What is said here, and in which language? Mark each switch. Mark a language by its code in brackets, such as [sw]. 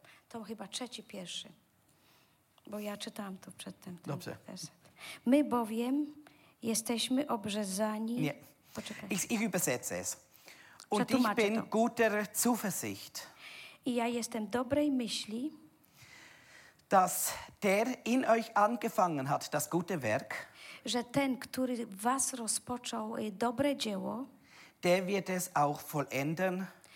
[pl] To chyba trzeci, pierwszy. Bo ja czytałam to przedtem. Dobrze. Verset. My bowiem jesteśmy obrzezani... Nie. Poczekaj. [de] Ich übersetze es. Und ich bin guter Zuversicht. [pl] I ja jestem dobrej myśli. [de] dass der in euch angefangen hat, das gute Werk, [pl] że ten, który w was rozpoczął dobre dzieło, [de] der wird es auch vollenden,